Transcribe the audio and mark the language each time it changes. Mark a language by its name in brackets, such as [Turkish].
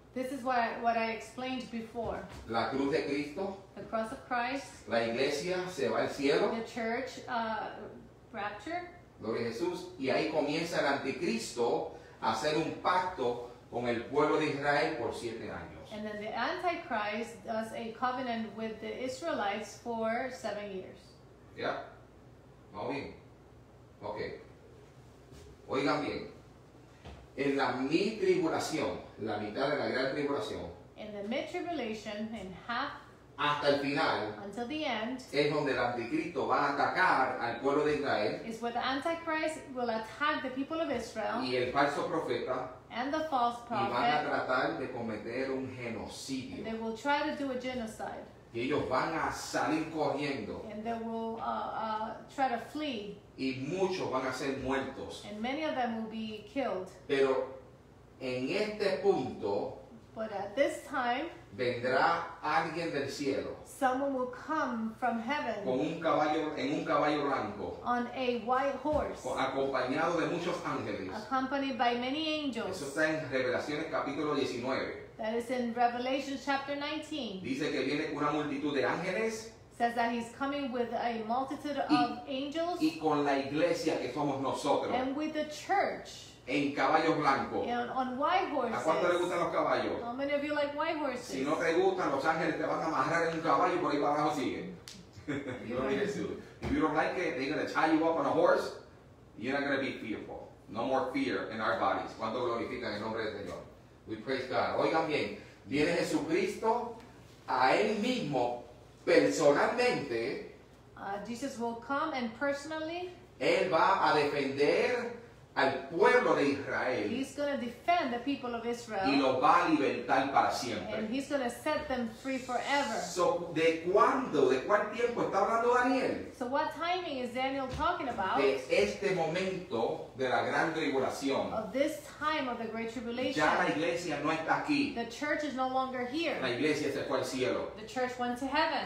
[English] This is what I explained before. [Spanish] La cruz de Cristo. [English] The cross of Christ. [Spanish] La iglesia se va al cielo. [English] The church rapture. [Spanish] Gloria a Jesús. Y ahí comienza el anticristo a hacer un pacto con el pueblo de Israel por 7 años. [English] And then the antichrist does a covenant with the Israelites for 7 years. [Spanish] Yeah. Vamos bien. Okay. Oigan bien. En la mi tribulación, la mitad de la gran tribulación. [English] In the mid tribulation, in half. [Spanish] Hasta el final. [English] Until the end. [Spanish] Es donde el anticristo va a atacar al pueblo de Israel. [English] Is where the antichrist will attack the people of Israel. [Spanish] Y el falso profeta. [English] And the false prophet. [Spanish] Y van a tratar de cometer un genocidio. [English] And they will try to do a genocide. [Spanish] Y ellos van a salir corriendo. [English] And they will try to flee. [Spanish] Y muchos van a ser muertos. [English] And many of them will be killed. [Spanish] Pero en este punto. [English] But at this time, [Spanish] vendrá alguien del cielo. [English] Someone will come from heaven. [Spanish] Con un caballo, en un caballo blanco. [English] On a white horse. [Spanish] Acompañado de muchos ángeles. [English] Accompanied by many angels. [Spanish] Eso está en Revelaciones capítulo 19. [English] That is in Revelation chapter 19. [Spanish] Dice que viene una multitud de ángeles. [English] Says that he's coming with a multitude of angels. [Spanish] Y con la iglesia que somos nosotros. [English] And with the church. [Spanish] En caballos blancos. [English] And on white horses. [Spanish] ¿A cuánto le gustan los caballos? [English] How many of you like white horses? [Spanish] Si no te gustan, los ángeles te van a amarrar en un caballo y por ahí para abajo siguen. [English] If you don't like it, they're going to tie you up on a horse. You're not going to be fearful. No more fear in our bodies. [Spanish] ¿Cuánto glorifican el nombre del Señor? [English] We praise God. [Spanish] Oigan bien, viene Jesucristo a él mismo personalmente. [English] Jesus will come and personally. [Spanish] Él va a defender al pueblo de Israel. [English] He's going to defend the people of Israel. [Spanish] Y lo va a libertar para siempre. [English] And he's going to set them free forever. [Spanish] So, ¿de cuándo, de cuál tiempo está hablando Daniel? [English] So what timing is Daniel talking about? [Spanish] De este momento de la gran tribulación. [English] Of this time of the great tribulation. [Spanish] Ya la iglesia no está aquí. [English] The church is no longer here. [Spanish] La iglesia se fue al cielo. [English] The church went to heaven.